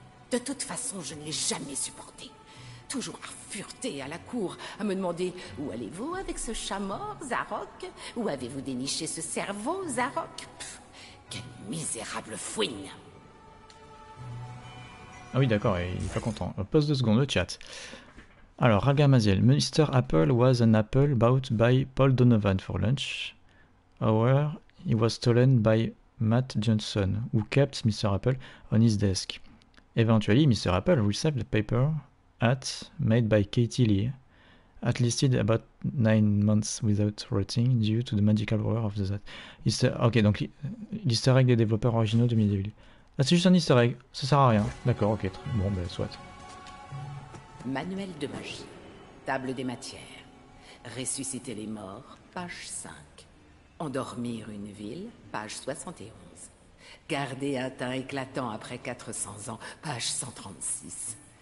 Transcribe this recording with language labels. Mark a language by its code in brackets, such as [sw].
[fr] De toute façon, je ne l'ai jamais supporté. Toujours à fureter à la cour, à me demander « Où allez-vous avec ce chat mort, Zarok ? Où avez-vous déniché ce cerveau, Zarok ?» Quel misérable fouine ! Ah oui, d'accord, il n'est pas content. Pause deux secondes, le chat. Alors, Ragamaziel. « Mr. [en] Apple was an apple bought by Paul Donovan for lunch. However, he was stolen by... Matt Johnson, who kept Mr. Apple on his desk. Eventually, Mr. Apple received the paper hat made by Katie Lee, at least about 9 months without rotting due to the magical power of the hat. [fr] Ok, donc l'easter egg des développeurs originaux de Medieval. Ah, c'est juste un easter egg, ça sert à rien. D'accord, ok, bon, ben, soit. Manuel de magie, table des matières, ressusciter les morts, page 5. Endormir une ville, page 71. Garder un teint éclatant après 400 ans, page 136.